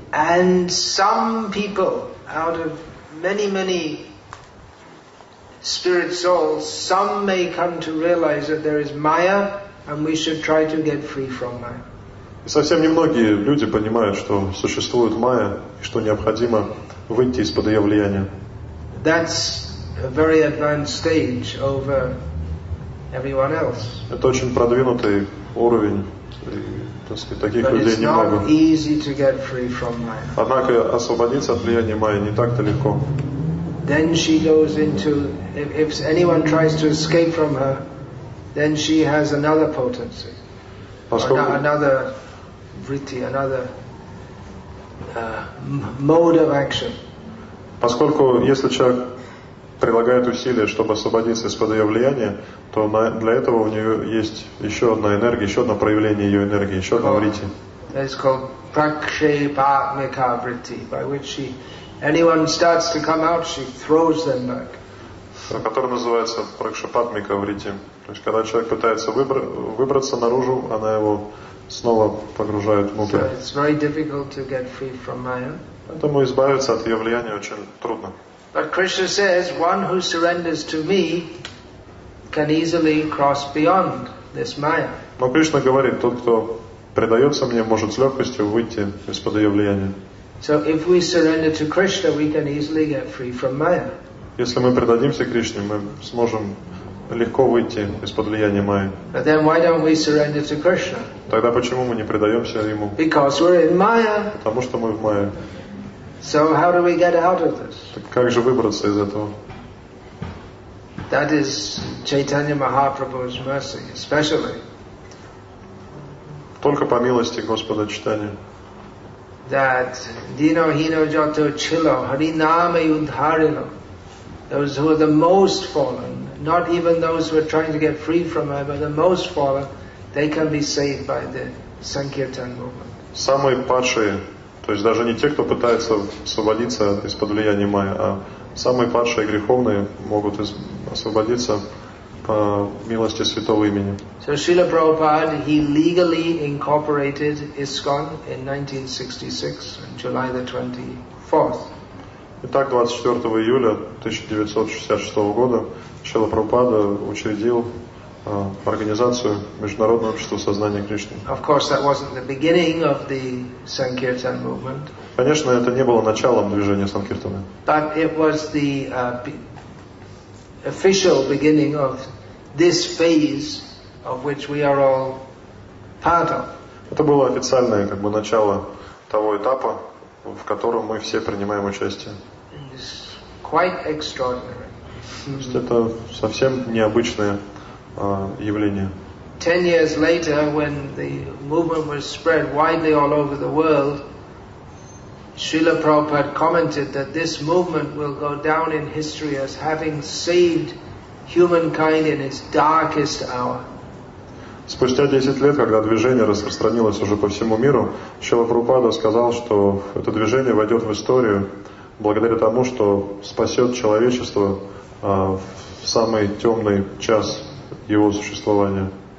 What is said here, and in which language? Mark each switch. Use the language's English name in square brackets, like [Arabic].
[English] And some people, out of many, many spirit souls, some may come to realize that there is Maya, and we should try to get free from Maya. [Russian] Совсем немногие люди понимают, что существует Maya, и что необходимо выйти из-под ее влияния. [English] That's a very advanced stage over everyone else. [Russian] Это очень продвинутый уровень. Таких [English] But [Russian] людей немного. [English] Easy to get free from Maya. [Russian] Однако освободиться от влияния Майя не так-то легко. [English] Then she goes into, if anyone tries to escape from her, then she has another potency, another vritti, another mode of action. [Russian] Поскольку если человек прилагает усилия, чтобы освободиться из-под ее влияния, то для этого у нее есть еще одна энергия, еще одно проявление ее энергии, еще одна вритти. [English] It's called Prakshepatmika Vritti, by which she, anyone starts to come out, she throws them back. [Russian] Которая называется Пракшапатмика Вритти. То есть, когда человек пытается выбраться наружу, она его снова погружает внутрь. [English] So it's very difficult to get free from Maya. [Russian] Поэтому избавиться от ее влияния очень трудно. [English] But Krishna says, one who surrenders to me can easily cross beyond this Maya. [Russian] Но Кришна говорит, тот, кто предается мне, может с легкостью выйти из-под ее влияния. [English] So if we surrender to Krishna, we can easily get free from Maya. [Russian] Если мы предадимся Кришне, мы сможем легко выйти из-под влияния Майи. [English] But then why don't we surrender to Krishna? [Russian] Тогда почему мы не предаемся ему? [English] Because we're in Maya. [Russian] Потому что мы в Майе. [English] So how do we get out of this? [Russian] Так как же выбраться из этого? [English] That is Chaitanya Mahaprabhu's mercy, especially. [Russian] Только по милости Господа Чайтаньи. [Bangla] That dino hino jato chilo harinama yudharino. [English] Those who are the most fallen, not even those who are trying to get free from her, but the most fallen, they can be saved by the Sankirtan movement. [Russian] Самые падшие, то есть даже не те, кто пытается освободиться из-под влияния Майи, а самые падшие греховные могут освободиться по милости святого имени. [English] So Srila Prabhupada, he legally incorporated ISKCON in 1966, on July the 24th. [Russian] Итак, 24 июля 1966 года Шрила Прабхупада учредил организацию Международное общество сознания Кришны. [English] Of course, that wasn't the beginning of the Sankirtan movement. [Russian] Конечно, это не было началом движения Санкиртаны. [English] But it was the official beginning of this phase of which we are all part of. [Russian] Это было официальное, как бы, начало того этапа, в котором мы все принимаем участие. [English] It's quite extraordinary. [Russian] То есть это совсем необычное явление. [English] 10 years later, when the movement was spread widely all over the world, Srila Prabhupada commented that this movement will go down in history as having saved humankind in its darkest hour. [Russian] Спустя 10 лет, когда движение распространилось уже по всему миру, Шрила Прабхупада сказал, что это движение войдет в историю благодаря тому, что спасет человечество в самый темный час его существования.